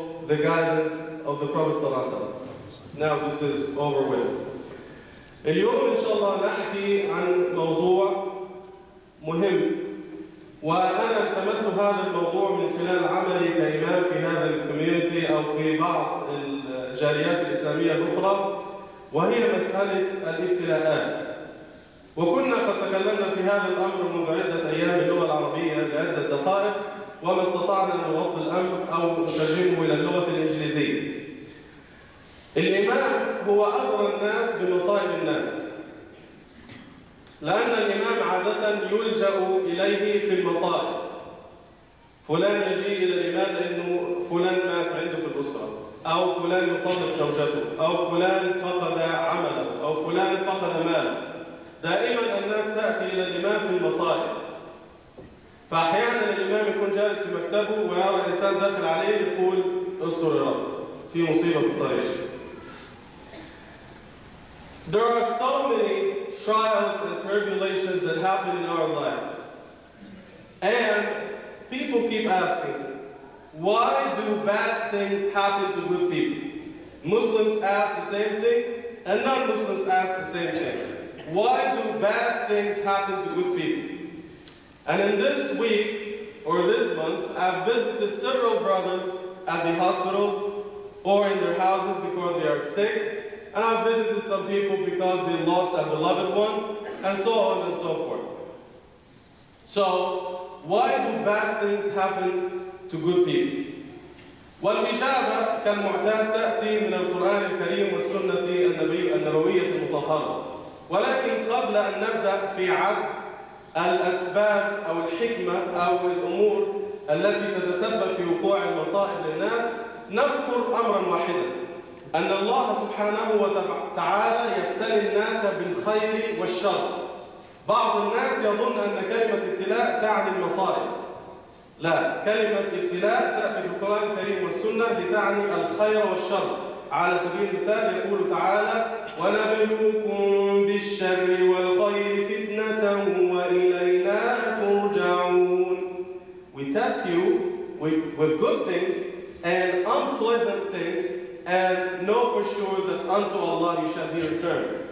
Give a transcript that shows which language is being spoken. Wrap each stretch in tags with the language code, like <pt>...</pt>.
<en>the guidance of the Prophet ﷺ. Now this is over with.</en> <ar>اليوم إن شاء الله نحكي عن موضوع مهم، وأنا التمس هذا الموضوع من خلال عملي كإمام في هذا الكوميونتي أو في بعض الجاليات الإسلامية الأخرى، وهي مسألة الابتلاءات. وكنا قد تكلمنا في هذا الأمر منذ عدة أيام باللغة العربية لعدة دقائق، وما استطعنا أن نغطي الأمر أو نترجمه إلى اللغة الإنجليزية. الإمام هو أدرى الناس بمصائب الناس، لأن الإمام عادة يلجأ إليه في المصائب. فلان يجي إلى الإمام لأنه فلان مات عنده في الأسرة، أو فلان يطلق زوجته، أو فلان فقد عمله، أو فلان فقد ماله. دائما الناس تأتي إلى الإمام في المصائب. فأحيانا الإمام يكون جالس في مكتبه ويرى إنسان داخل عليه يقول استر يا رب في مصيبة في الطريق.</ar> <en>There are so many trials and tribulations that happen in our life. And people keep asking, why do bad things happen to good people? Muslims ask the same thing, and non-Muslims ask the same thing. Why do bad things happen to good people? And in this week, or this month, I've visited several brothers at the hospital or in their houses because they are sick. And I've visited some people because they lost a beloved one, and so on and so forth. So, why do bad things happen to good people?</en> <ar>والإجابة كالمعتاد تأتي من القرآن الكريم والسنة النبوية المطهرة. ولكن قبل أن نبدأ في عد الأسباب أو الحكمة أو الأمور التي تتسبب في وقوع المصائب للناس، نذكر أمراً واحداً. أن الله سبحانه وتعالى يبتلي الناس بالخير والشر. بعض الناس يظن أن كلمة ابتلاء تعني المصائب. لا، كلمة ابتلاء تأتي في القرآن الكريم والسنة لتعني الخير والشر. على سبيل المثال يقول تعالى: ونبلوكم بالشر والخير فتنة وإلينا ترجعون.</ar> <en>We test you with good things and unpleasant things. And know for sure that unto Allah you shall be returned.</en>